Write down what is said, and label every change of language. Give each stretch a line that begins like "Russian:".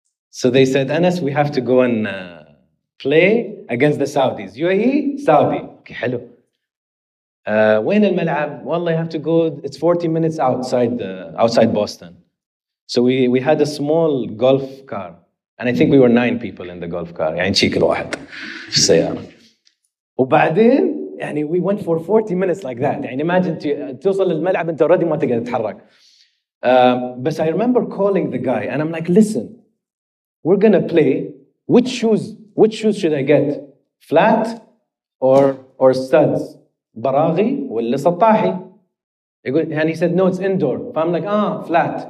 English: So they said, Anas, we have to go and play against the Saudis. UAE, Saudi. Okay, hello.
Arabic: وين الملعب؟ والله
English: you have to go, it's 40 minutes outside outside Boston. So we had a small golf car. And I think we were 9 people in the golf car.
Arabic: يعني شيك الواحد في السيارة. وبعدين يعني
English: we went for 40 minutes like that.
Arabic: يعني imagine توصل للملعب انت already ما تقدر تتحرك.
English: But I remember calling the guy and I'm like, listen, we're going to play. Which shoes should I get? Flat or studs?
Arabic: Baraghi ولا سطاحي?
English: And he said, no, it's indoor. But I'm like, flat.